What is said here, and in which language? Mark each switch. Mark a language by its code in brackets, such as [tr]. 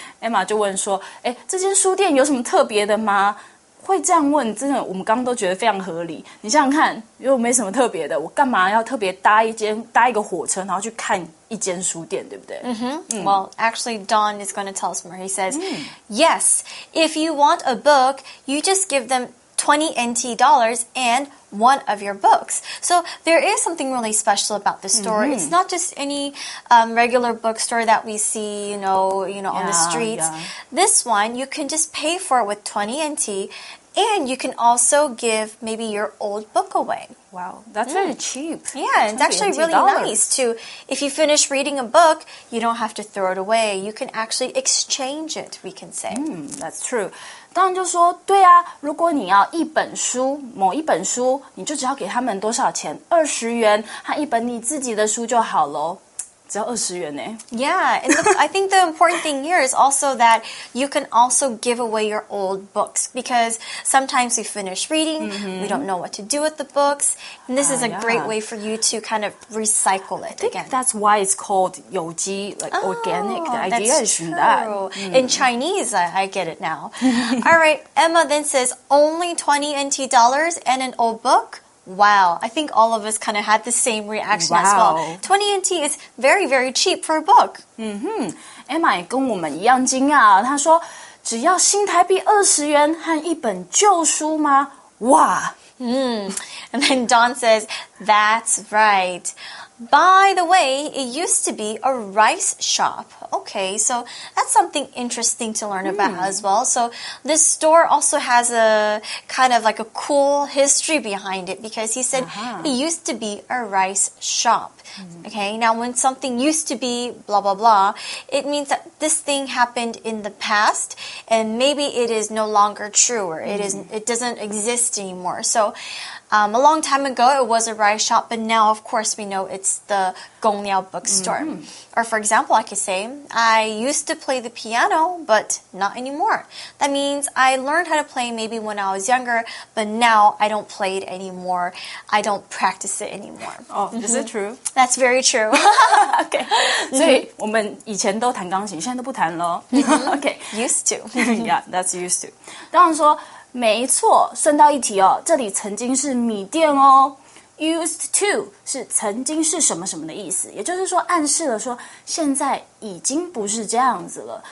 [zh] Emma 就问说诶这间书店有什么特别的吗会这样问真的我们刚刚都觉得非常合理。你想想看如果没什么特别的我干嘛要特别搭一个火车然后去看一间书店对不对、 [en] Well, actually, Don is going to tell us more. He says, yes, if you want a book, you just give them $20 NT and one of your books. So there is something really special about the store. It's not just any regular bookstore that we see, you know, on the streets. This one, you can just pay for it with 20 NT, and you can also give maybe your old book away. Wow, that's very cheap. Yeah, it's actually really nice too. If you finish reading a book, you don't have to throw it away. You can actually exchange it, we can say. That's true. [zh] 当然就说对啊如果你要一本书某一本书你就只要给他们多少钱20元和一本你自己的书就好咯只要20元耶 [en] Yeah, and I think the important thing here is also that you can also give away your old books because sometimes we finish reading, we don't know what to do with the books, and this is a great way for you to kind of recycle it again. I think that's why it's called 有机, like organic. The idea is from that. In Chinese, I get it now. All right, Emma then says, only $20 NT and an old book? Wow, I think all of us kind of had the same reaction as well. 20 NT is very, very cheap for a book. [zh] Emma 也跟我们一样惊讶，她说，只要新台币20元和一本旧书吗？哇！ [en] And then Don says, that's right. By the way, it used to be a rice shop. Okay, so that's something interesting to learn about as well. So this store also has a kind of like a cool history behind it because he said it used to be a rice shop. Okay, now when something used to be blah, blah, blah, it means that this thing happened in the past and maybe it is no longer true or it doesn't exist anymore. So a long time ago, it was a rice shop, but now, of course, we know it's the Gongliao Bookstore. Or for example, I could say, I used to play the piano, but not anymore. That means I learned how to play maybe when I was younger, but now I don't play it anymore. I don't practice it anymore. Oh, is it true? That's very true. Okay. [zh] So, 我们以前都弹钢琴，现在都不弹了。 [en] Okay. Used to. Yeah, that's used to. [zh] 当然说，没错，顺道一提哦，这里曾经是米店哦。 Used to 是曾经是什么什么的意思，也就是说暗示了说现在已经不是这样子了。